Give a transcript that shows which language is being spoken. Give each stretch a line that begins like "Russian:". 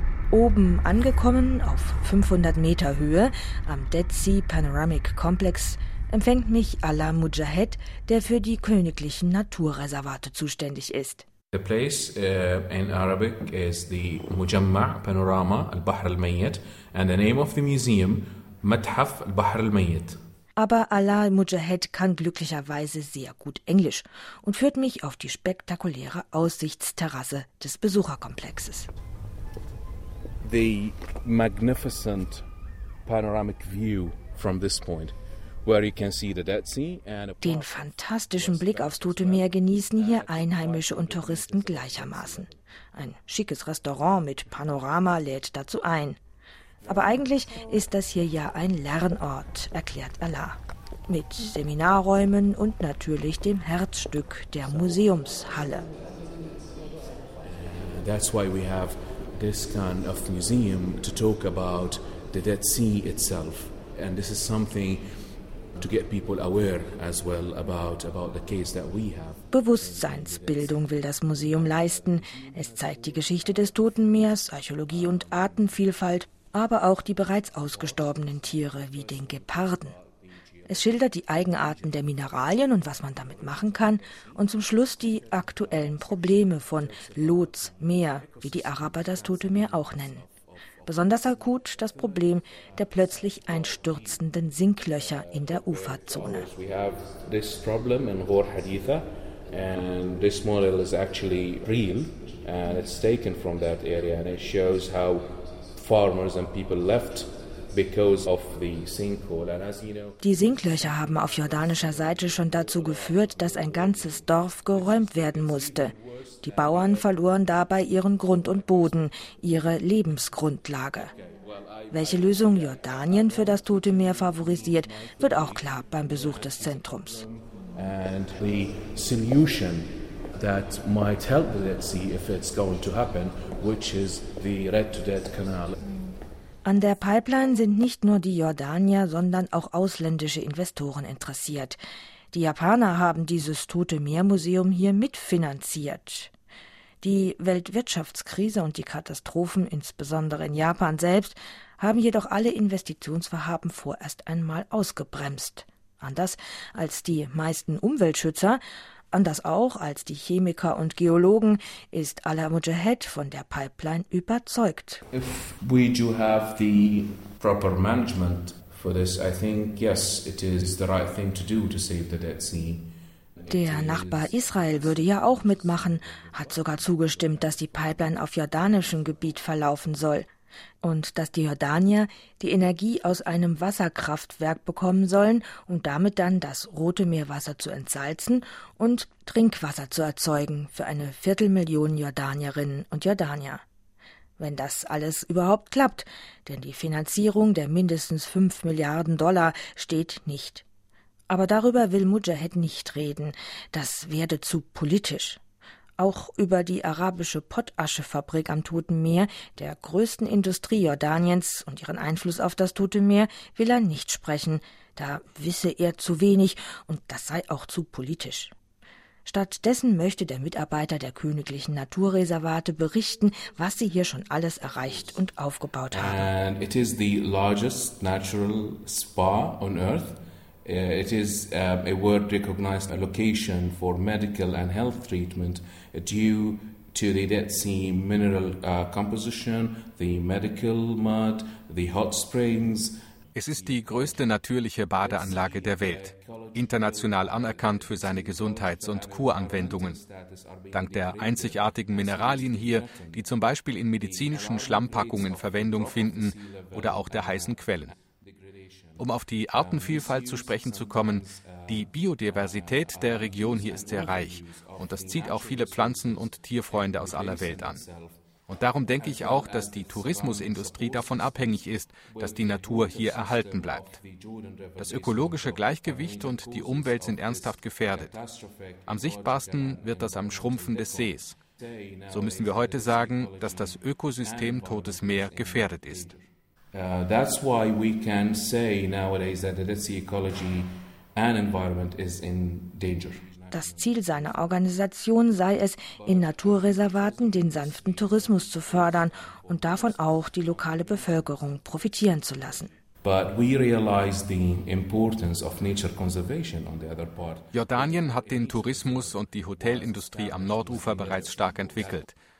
German: Oben angekommen, auf 500 Meter Höhe, am Dead Sea Panoramic Complex, empfängt mich Allah Mujahed, der für die königlichen Naturreservate zuständig ist.
English: The place in Arabic is the Mujamma' Panorama al-Bahr al-Mayyit and the name of the museum, Mathaf al-Bahr al-Mayyit.
German: Aber Allah Mujahed kann glücklicherweise sehr gut Englisch und führt mich auf die spektakuläre Aussichtsterrasse des Besucherkomplexes.
English: The magnificent panoramic view from this point, where you can see the Dead Sea and
German: den fantastischen Blick aufs Tote Meer genießen hier Einheimische und Touristen gleichermaßen. Ein schickes Restaurant mit Panorama lädt dazu ein. Aber eigentlich ist das hier ja ein Lernort, erklärt Allah. Mit Seminarräumen und natürlich dem Herzstück der Museumshalle.
English: That's why we have this kind of museum to talk about the Dead Sea itself. And this is something to get people aware as well about the case that we have.
German: Bewusstseinsbildung will das Museum leisten. Es zeigt die Geschichte des Toten Meers, Archäologie und Artenvielfalt, aber auch die bereits ausgestorbenen Tiere wie den Geparden. Es schildert die Eigenarten der Mineralien und was man damit machen kann und zum Schluss die aktuellen Probleme von Lots Meer, wie die Araber das Tote Meer auch nennen. Besonders akut das Problem der plötzlich einstürzenden Sinklöcher in der Uferzone.
English: We have this problem in Hor Haditha and this model is actually real and it's taken from that area and it shows how farmers and people left because of the sinkhole. And as you know,
German: die Sinklöcher haben auf jordanischer Seite schon dazu geführt, dass ein ganzes Dorf geräumt werden musste. Die Bauern verloren dabei ihren Grund und Boden, ihre Lebensgrundlage. Welche Lösung Jordanien für das Tote Meer favorisiert, wird auch klar beim Besuch des Zentrums.
English: And the solution that might help the Red Sea if it's going to happen, which is the Red to Dead Canal.
German: An der Pipeline sind nicht nur die Jordanier, sondern auch ausländische Investoren interessiert. Die Japaner haben dieses Tote Meer-Museum hier mitfinanziert. Die Weltwirtschaftskrise und die Katastrophen, insbesondere in Japan selbst, haben jedoch alle Investitionsvorhaben vorerst einmal ausgebremst. Anders als die meisten Umweltschützer, anders auch als die Chemiker und Geologen, ist Alaa Mujahed von der Pipeline überzeugt.
English: If we do have the proper management for this, I think yes, it is the right thing to do to save the Dead Sea.
German: Der Nachbar Israel würde ja auch mitmachen, hat sogar zugestimmt, dass die Pipeline auf jordanischem Gebiet verlaufen soll und dass die Jordanier die Energie aus einem Wasserkraftwerk bekommen sollen, um damit dann das Rote Meerwasser zu entsalzen und Trinkwasser zu erzeugen für eine 250.000 Jordanierinnen und Jordanier. Wenn das alles überhaupt klappt, denn die Finanzierung der mindestens 5 Milliarden Dollar steht nicht. Aber darüber will Mujahed nicht reden, das werde zu politisch. Auch über die arabische Pottaschefabrik am Toten Meer, der größten Industrie Jordaniens und ihren Einfluss auf das Tote Meer, will er nicht sprechen. Da wisse er zu wenig und das sei auch zu politisch. Stattdessen möchte der Mitarbeiter der Königlichen Naturreservate berichten, was sie hier schon alles erreicht und aufgebaut haben.
English: And it is the largest natural spa on earth. It is a world recognized location for medical and health treatment due to the Dead Sea mineral composition, the medical mud, the hot springs.
German: Es ist die größte natürliche Badeanlage der Welt, international anerkannt für seine Gesundheits- und Kuranwendungen. Dank der einzigartigen Mineralien hier, die zum Beispiel in medizinischen Schlammpackungen Verwendung finden oder auch der heißen Quellen. Um auf die Artenvielfalt zu sprechen zu kommen, die Biodiversität der Region hier ist sehr reich und das zieht auch viele Pflanzen- und Tierfreunde aus aller Welt an. Und darum denke ich auch, dass die Tourismusindustrie davon abhängig ist, dass die Natur hier erhalten bleibt. Das ökologische Gleichgewicht und die Umwelt sind ernsthaft gefährdet. Am sichtbarsten wird das am Schrumpfen des Sees. So müssen wir heute sagen, dass das Ökosystem Totes Meer gefährdet ist.
English: That's why we can say nowadays that the Dead Sea ecology and environment is in danger.
German: Das Ziel seiner Organisation sei es, in Naturreservaten den sanften Tourismus zu fördern und davon auch die lokale Bevölkerung profitieren zu lassen.
English: But we realize the importance of nature conservation on the other part.
German: Jordanien hat den Tourismus und die Hotelindustrie am Nordufer bereits stark entwickelt.